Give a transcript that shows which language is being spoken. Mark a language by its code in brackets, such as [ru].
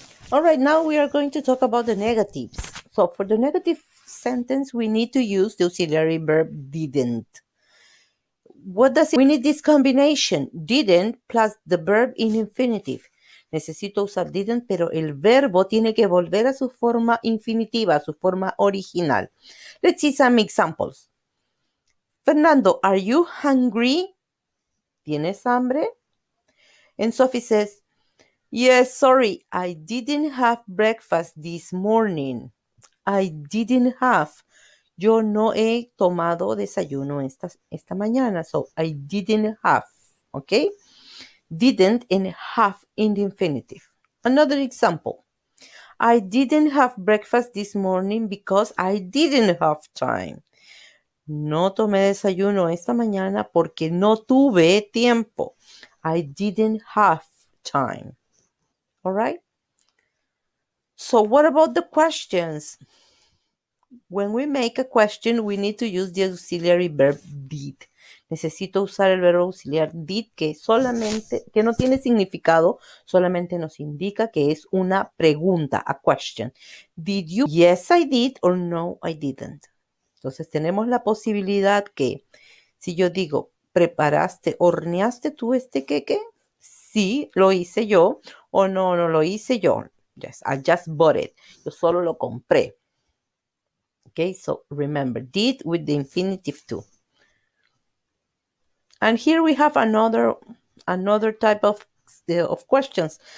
[en] All right, now we are going to talk about the negatives. So for the negative sentence, we need to use the auxiliary verb didn't. What does it mean? We need this combination, didn't plus the verb in infinitive. [es] Necesito usar didn't, pero el verbo tiene que volver a su forma infinitiva, a su forma original. [en] Let's see some examples. Fernando, are you hungry? [es] ¿Tienes hambre? [en] And Sophie says, yes, sorry, I didn't have breakfast this morning. I didn't have. [es] Yo no he tomado desayuno esta mañana. [en] So, I didn't have. Okay? Didn't and have in the infinitive. Another example. I didn't have breakfast this morning because I didn't have time. [es] No tomé desayuno esta mañana porque no tuve tiempo. [en] I didn't have time. All right? So what about the questions? When we make a question, we need to use the auxiliary verb did. [es] Necesito usar el verbo auxiliar did que no tiene significado, solamente nos indica que es una pregunta, [en] a question. Did you? Yes, I did, or no, I didn't. [es] Entonces tenemos la posibilidad que si yo digo, ¿preparaste, horneaste tú este queque? Sí, lo hice yo, o no, no lo hice yo. [en] Yes, I just bought it. [es] Yo solo lo compré. [en] Okay, so remember, did with the infinitive too. And here we have another type of questions.